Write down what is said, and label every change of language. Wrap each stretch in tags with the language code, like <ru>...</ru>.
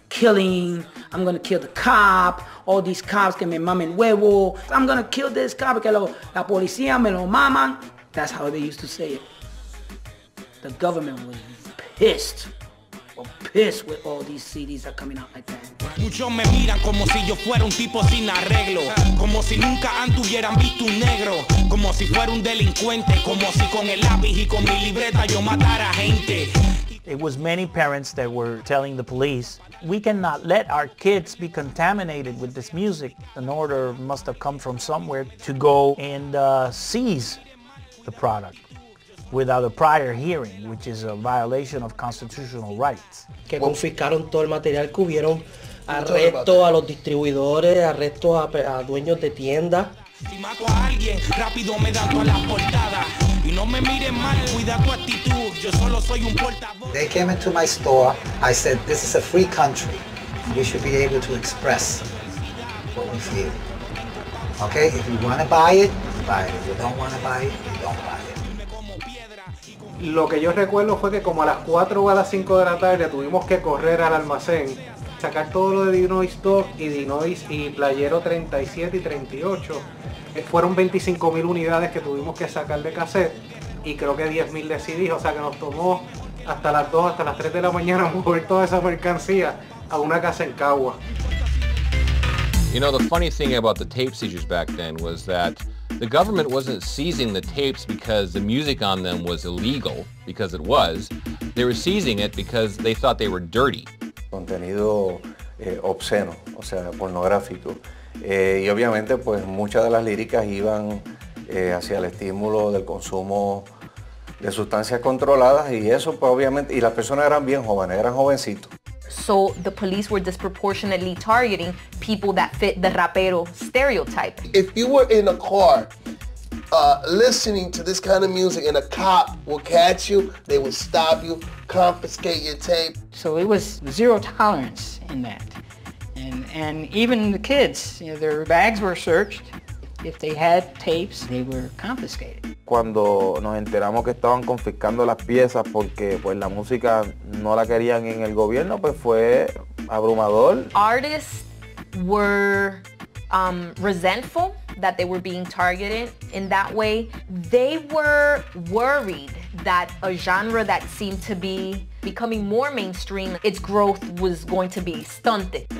<en>Killing, I'm going to kill the cop, all these cops</en> <es>que me mamen huevo.</es> <en>I'm going to kill this cop</en> <es>que la policía me lo maman.</es> <en>That's how they used to say it. The government was pissed. Well, pissed with all these CDs that are coming out like that.</en> <es>Muchos me miran como si yo fuera un tipo sin arreglo. Como si nunca antes hubieran visto un negro. Como si fuera un delincuente. Como si con el lápiz y con mi libreta yo matara gente.</es> <en>It was many parents that were telling the police, we cannot let our kids be contaminated with this music. An order must have come from somewhere to go and seize the product without a prior hearing, which is a violation of constitutional rights.</en> <es>Que confiscaron todo el material que hubieron, arresto a los distribuidores, arresto a dueños de tiendas. Si mato a alguien, rápido me da toda la portada. Y no me miren mal, cuida tu actitud, yo solo soy un portavoz.</es> <en>They came into my store, I said, this is a free country. You should be able to express what we feel. Okay, if you want to buy it, buy it. If you don't want to buy it, you don't buy it.</en> <es>Lo que yo recuerdo fue que como a las 4 o a las 5 de la tarde tuvimos que correr al almacén, sacar todo lo de Dinoise Talk y Dinoise y Playero 37 y 38. Fueron 25.000 unidades que tuvimos que sacar de cassette y creo que 10.000 de CD, o sea que nos tomó hasta las 2, hasta las 3 de la mañana mover toda esa mercancía a una casa en Cagua.</es> <en>You know, the funny thing about the tape seizures back then was that the government wasn't seizing the tapes because the music on them was illegal, because it was. They were seizing it because they thought they were dirty.</en> <es>Contenido obsceno, o sea, pornográfico. Y obviamente, pues, muchas de las líricas iban hacia el estímulo del consumo de sustancias controladas y eso, pues, obviamente, y las personas eran bien jóvenes, eran jovencitos.</es> <en>So the police were disproportionately targeting people that fit the rapero stereotype. If you were in a car listening to this kind of music and a cop would catch you, they would stop you, confiscate your tape. So it was zero tolerance in that. And even the kids, you know, their bags were searched. If they had tapes, they were confiscated.</en> <es>Cuando nos enteramos que estaban confiscando las piezas porque pues la música no la querían en el gobierno, pues fue abrumador.</es> <en>Artists were resentful that they were being targeted in that way. They were worried that a genre that seemed to be becoming more mainstream, its growth was going to be stunted.</en>